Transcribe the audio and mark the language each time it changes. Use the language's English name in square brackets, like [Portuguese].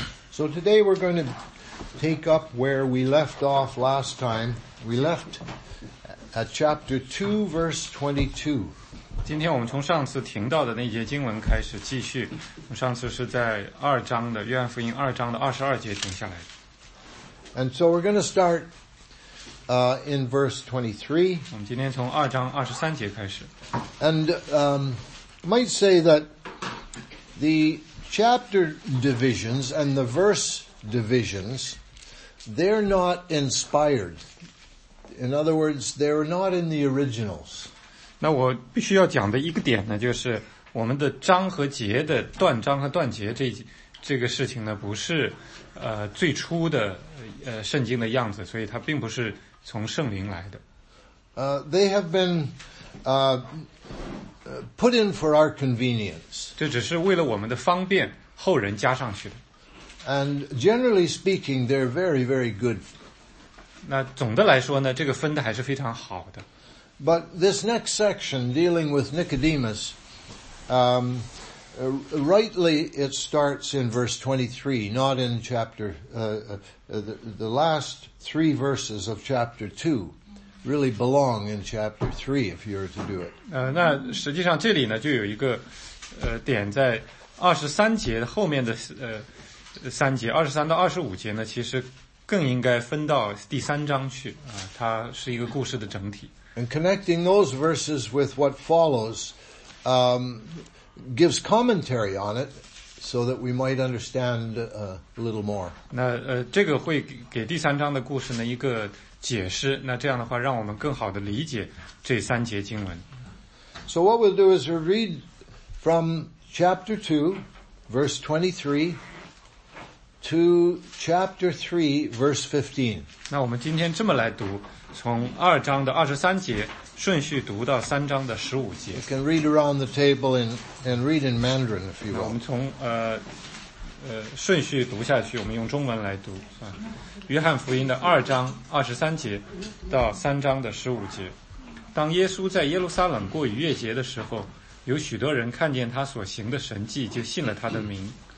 [English] So today we're going to take up where we left off last time. We left at chapter 2, verse 22. [Chinese] 今天我们从上次停到的那节经文开始继续。上次是在二章的约翰福音二章的二十二节停下来。 [English] And so we're going to start, in verse 23. [Chinese] 我们今天从二章二十三节开始。 [English] And, might say that the chapter divisions and the verse divisions, they're not inspired. In other words, they're not in the originals. [Chinese] 那我必须要讲的一个点呢，就是我们的章和节的断章和断节这个事情呢，不是最初的圣经的样子，所以它并不是从圣灵来的。 [English] They have been, put in for our convenience. [Chinese] 这只是为了我们的方便，后人加上去的。 [English] And generally speaking, they're very, very good. [Chinese] 那总的来说呢，这个分的还是非常好的。 [English] But this next section dealing with Nicodemus, rightly it starts in verse 23, not in chapter, the last three verses of chapter 2. Really belong in chapter 3 if you were to do it. [Chinese] 那实际上这里呢就有一个点在23节后面的三节23到25节呢其实更应该分到第三章去它是一个故事的整体。 [English] And connecting those verses with what follows, gives commentary on it so that we might understand, a little more. [Chinese] 那这个会给第三章的故事呢一个解释，那这样的话，让我们更好的理解这三节经文。 [English] So what we'll do is we'll read from chapter 2, verse 23, to chapter 3, verse 15. [Chinese] 那我们今天这么来读，从二章的二十三节顺序读到三章的十五节。 [English] You can read around the table and read in Mandarin if you will. [Chinese] 我们从顺序读下去，我们用中文来读。约翰福音的二章二十三节到三章的十五节。当耶稣在耶路撒冷过逾越节的时候，有许多人看见他所行的神迹，就信了他的名。